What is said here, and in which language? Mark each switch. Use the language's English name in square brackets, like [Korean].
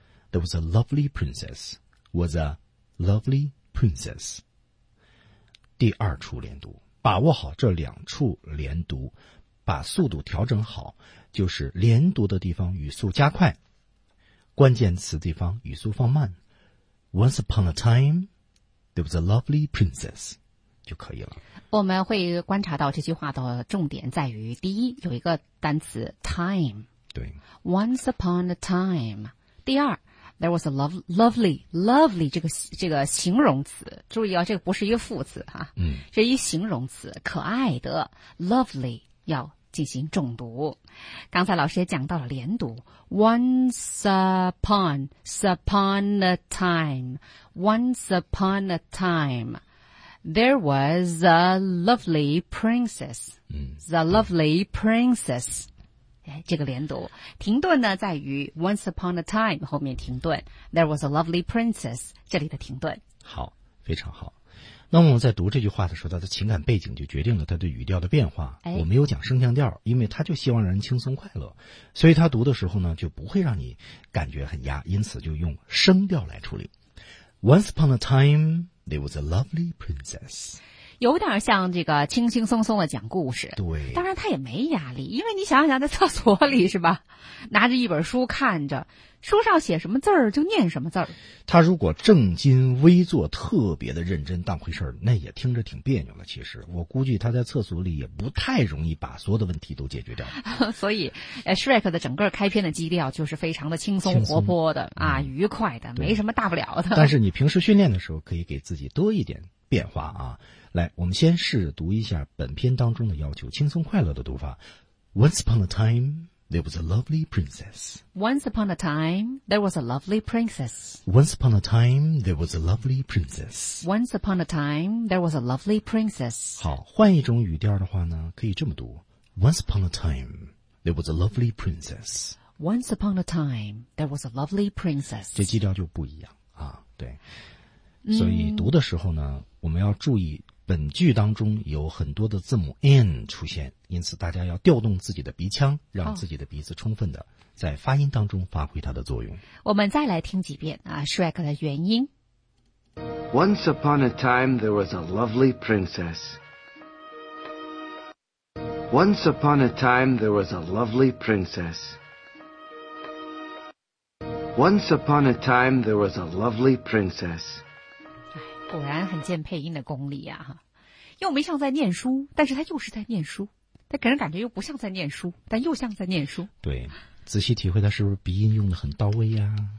[English] There was a lovely princess, was a lovely princess。 [Chinese] 第二处连读。把握好这两处连读，把速度调整好，就是连读的地方语速加快，关键词地方语速放慢。 [English] Once upon a time, there was a lovely princess， [Chinese] 就可以了。我们会观察到这句话的重点在于，第一，有一个单词 time，对， [English] Once upon a time。 [Chinese] 第二。 [English] There was a lovely [Chinese] 这个形容词，注意啊，这个不是一个副词哈、这一形容词，可爱的 lovely 要进行重读。刚才老师也讲到了连读 [English] ，once upon a time there was a lovely princess， the lovely princess， [Chinese] 这个连读，停顿呢在于 [English] once upon a time [Chinese] 后面停顿 [English] there was a lovely princess [Chinese] 这里的停顿。好，非常好。那么我们在读这句话的时候，它的情感背景就决定了它对语调的变化。哎，我没有讲升降调，因为它就希望让人轻松快乐，所以它读的时候呢就不会让你感觉很压，因此就用升调来处理。 [English] Once upon a time there was a lovely princess， [Chinese] 有点像这个轻轻松松的讲故事。对，当然他也没压力，因为你想想在厕所里是吧，拿着一本书看着，书上写什么字儿就念什么字儿。他如果正襟危坐，特别的认真当回事儿，那也听着挺别扭的。其实我估计他在厕所里也不太容易把所有的问题都解决掉。所以 Shrek 的整个开篇的基调就是非常的轻松活泼的啊，愉快的，没什么大不了的。但是你平时训练的时候可以给自己多一点变化啊。来，我们先试读一下本篇当中的要求，轻松快乐的读法。 [English] Once upon a time, there was a lovely princess. Once upon a time, there was a lovely princess. Once upon a time, there was a lovely princess. Once upon a time, there was a lovely princess. [Chinese] 好，换一种语调的话呢，可以这么读。 [English] Once upon a time, there was a lovely princess. Once upon a time, there was a lovely princess. [Chinese] 这基调就不一样啊，对。所以读的时候呢，我们要注意本句当中有很多的字母 N 出现，因此大家要调动自己的鼻腔，让自己的鼻子充分的在发音当中发挥它的作用。我们再来听几遍啊 Shrek 的原音。 [English] Once upon a time there was a lovely princess. Once upon a time there was a lovely princess. Once upon a time there was a lovely princess. [Chinese] 果然很见配音的功力啊，又没像在念书，但是他又是在念书，他给人感觉又不像在念书，但又像在念书。对，仔细体会他是不是鼻音用得很到位呀。